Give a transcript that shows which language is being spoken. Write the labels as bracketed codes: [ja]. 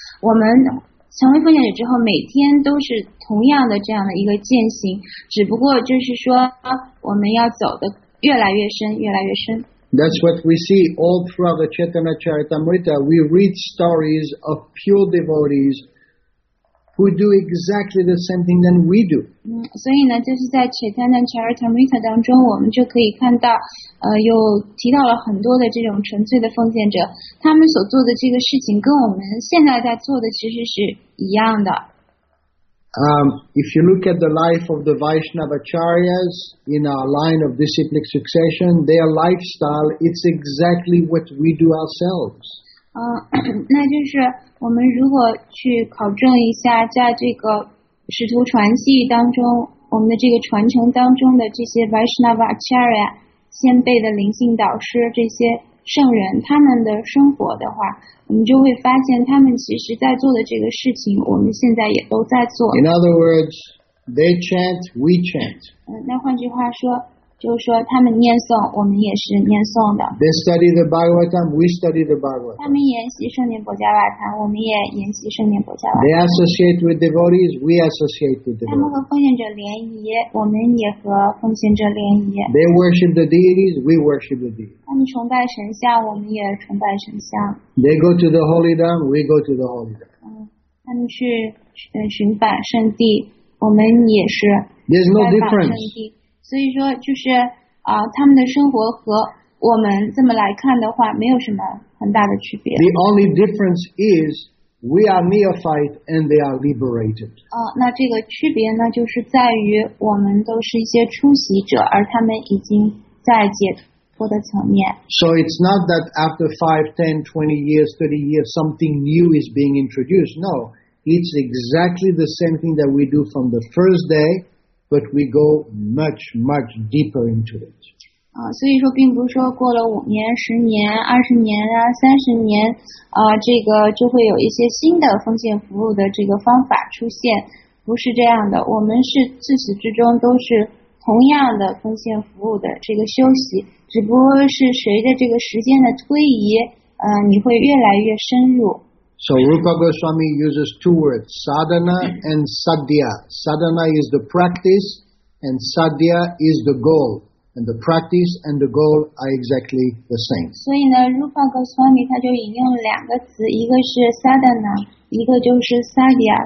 [zh] 我们成为奉献者之后，每天都是同样的这样的一个践行，只不过就是说我们要走得越来越深，越来越深。 [en] That's what we see all throughout the Chaitanya Charitamrita. We read stories of pure devotees who do exactly the same thing than we do. [zh] 所以呢，就是在 Chaitanya Charitamrita 当中，我们就可以看到，有提到了很多的这种纯粹的奉献者，他们所做的这个事情跟我们现在在做的其实是一样的。 [en] If you look at the life of the Vaishnavacharyas in our line of disciplic succession, their lifestyle, it's exactly what we do ourselves. [zh] 那就是我们如果去考证一下在这个使徒传系当中，我们的这个传承当中的这些 Vaishnavacharya, 先辈的灵性导师，这些圣人他们的生活的话，我们就会发现他们其实在做的这个事情我们现在也都在做。 [en] In other words, they chant, we chant. [zh] 那换句话说，就是说他们念诵，我们也是念诵的。 [en] They study the Bhagavatam, we study the Bhagavatam. [zh] 他们研习圣念佛加瓦坛，我们也研习圣念佛加瓦坛。 [en] They associate with devotees, we associate with devotees. [zh] 他们和奉献者联谊，我们也和奉献者联谊。 [en] They worship the deities, we worship the deities. [zh] 他们崇拜神像，我们也崇拜神像。 [en] They go to the holy dham, we go to the holy dham. [zh] 他们去寻访圣地，我们也是寻访圣地。 [en] There's no difference. [zh] 所以说就是他们的生活和我们这么来看的话没有什么很大的区别。 [en] The only difference is we are neophyte and they are liberated. [zh] 那这个区别呢就是在于我们都是一些初习者，而他们已经在解脱的层面。 [en] So it's not that after 5, 10, 20 years, 30 years, something new is being introduced. No, it's exactly the same thing that we do from the first day. But we go much, much deeper into it. [zh] 所以说并不是说过了五年、十年、二十年啊、三十年，这个就会有一些新的奉献服务的这个方法出现，不是这样的。我们是自始至终都是同样的奉献服务的这个修习，只不过是随着这个时间的推移，你会越来越深入。 [en] So Rupa Goswami uses two words, sadhana and sadhya. Sadhana is the practice and sadhya is the goal. And the practice and the goal are exactly the same. [zh] 所以呢 Rupa Goswami 他就引用两个词，一个是 sadhana, 一个就是 sadhya.